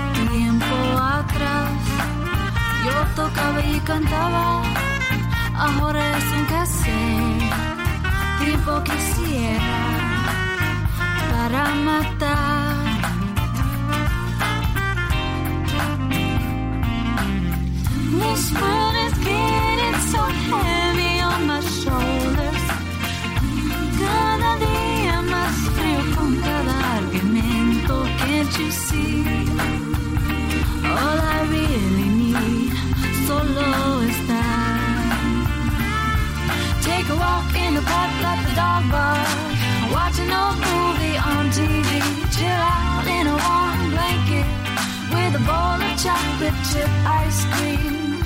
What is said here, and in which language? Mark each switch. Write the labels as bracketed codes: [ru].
[es] Tiempo atrás yo tocaba y cantaba. Ahora es un cassette. Tiempo quisiera para matar. [en] This world is getting so heavy on my shoulders. [es] Cada día más frío con cada argumento. [en] Can't you see? All I really need solo is that. Take a walk in the park, let the dog bark. Watch an old movie on TV. Chill out in a warm blanket with a bowl of chocolate chip ice cream.